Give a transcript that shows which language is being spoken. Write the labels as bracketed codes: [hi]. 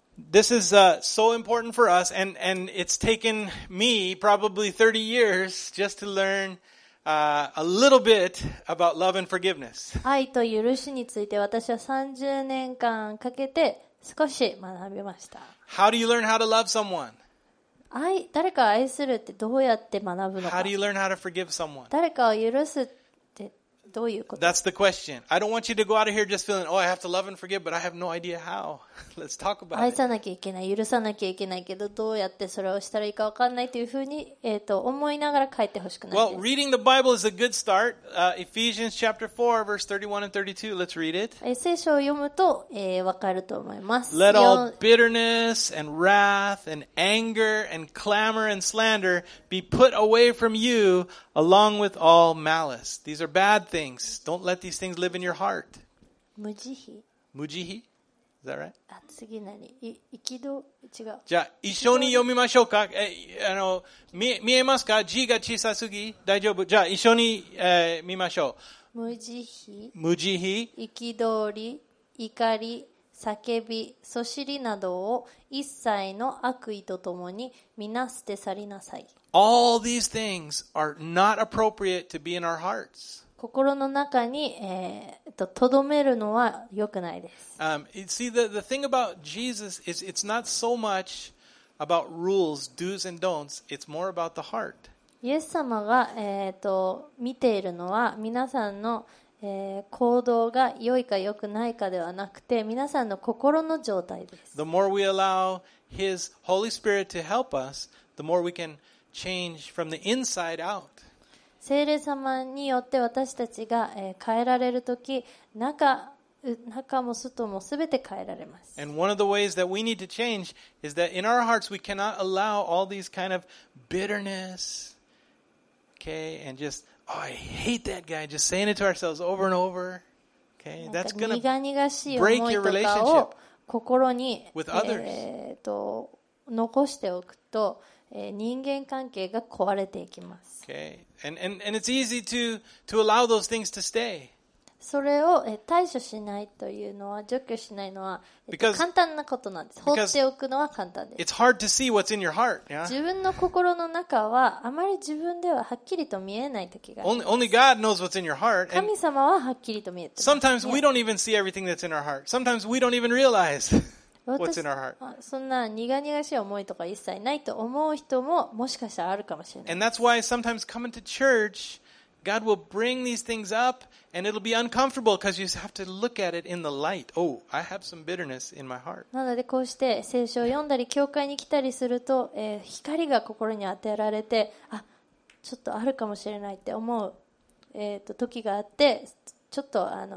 [en] This is so important for us, and it's taken me probably 30 years just to learn a little bit about love and forgiveness. [ja] 愛と許しについて私は30年間かけて少し学びました。 [en] How do you learn how to love someone? [ja] 愛、誰かを愛するってどうやって学ぶのか。 [en] How do you learn how to forgive someone? [ja] 誰かを許すってどういうこと? [en] That's the question. I don't want you to go out of here just feeling, oh, I have to love and forgive, but I have no idea how. Let's talk about it. [ja] 愛さなきゃいけない、許さなきゃいけないけど、どうやってそれをしたらいいか分かんないというふうに、思いながら書いてほしくないです。 [en] Well, reading the Bible is a good start. Ephesians chapter 4, verse 31 and 32. Let's read it. [ja] 聖書を読むと、分かると思います。 [en] Let all bitterness and wrath and anger and clamor and slander be put away from you along with all malice. These are bad things. Don't let these things live in your heart. [ja] 無慈悲。無慈悲。 [en] Is that right? [ja] 次何？憤り？違う。じゃあ一緒に読みましょうか。見えますか？字が小さすぎ？大丈夫？じゃあ一緒に、見ましょう。無慈悲。無慈悲。憤り、怒り、叫び、そしりなどを一切の悪意とともに皆捨て去りなさい。 [en] All these things are not appropriate to be in our hearts. [ja] 心の中に、留めるのは良くないです。 [en] See, the thing about Jesus is it's not so much about rules, do's and don'ts, it's more about the heart. [ja] イエス様が、見ているのは皆さんの、行動が良いか良くないかではなくて皆さんの心の状態です。 [en] The more we allow His Holy Spirit to help us, the more we can change from the inside out. [ja] 聖霊様によって私たちが変えられるとき、中も外もすべて変えられます。 [en] And one of the ways that we need to change is that in our hearts we cannot allow all these kind of bitterness, okay, and just, oh, I hate that guy, just saying it to ourselves over and over, okay, that's going to break your relationship with others. [ja] 残しておくと人間関係が壊れていきます。 [en] Okay. And it's easy to allow those things to stay. [ja] それを対処しないというのは除去しないのは簡単なことなんです。放っておくのは簡単です。 [en] It's hard to see what's in your heart. [ja] 自分の心の中はあまり自分でははっきりと見えない時があります。 [en] Only God knows what's in your heart. [ja] 神様ははっきりと見えてます。 [en] Sometimes we don't even see everything that's in our heart. Sometimes we don't even realize. What's in our heart? [ja] そんな苦々しい思いとか一切ないと思う人ももしかしたらあるかもしれない。 [en] And that's why sometimes coming to church, God will bring these things up, and it'll be uncomfortable because you have to look at it in the light. Oh, I have some bitterness in my heart. [ja] なのでこうして聖書を読んだり教会に来たりすると、光が心に当てられて、あ、ちょっとあるかもしれないって思う、時があって、ちょっと